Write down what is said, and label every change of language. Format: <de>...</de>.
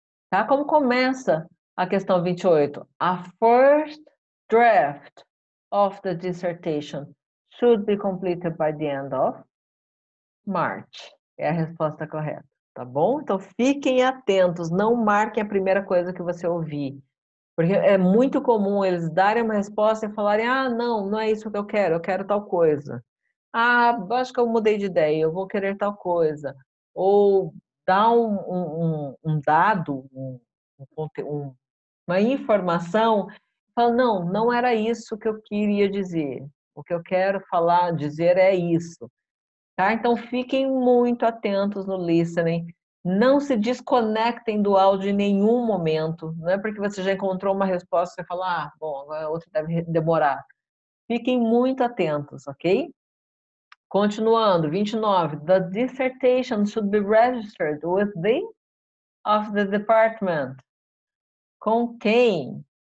<pt>Tá como começa a questão 28?</pt> <en>A first draft of the dissertation should be completed by the end of March.</en> <pt>É a resposta correta, tá bom? Então fiquem atentos, não marquem a primeira coisa que você ouvir. Porque é muito comum eles darem uma resposta e falarem, ah, não, não é isso que eu quero tal coisa. Ah, acho que eu mudei de ideia, eu vou querer tal coisa. Ou dá uma informação, fala, não era isso que eu queria dizer. O que eu quero falar, dizer é isso. Tá? Então, fiquem muito atentos no listening. Não se desconectem do áudio em nenhum momento. Não é porque você já encontrou uma resposta e você fala, ah, bom, agora outro deve demorar. Fiquem muito atentos, ok? Continuando, 29.</pt> <en>The dissertation should be registered with the of the department.</en> <pt>Com quem?</pt>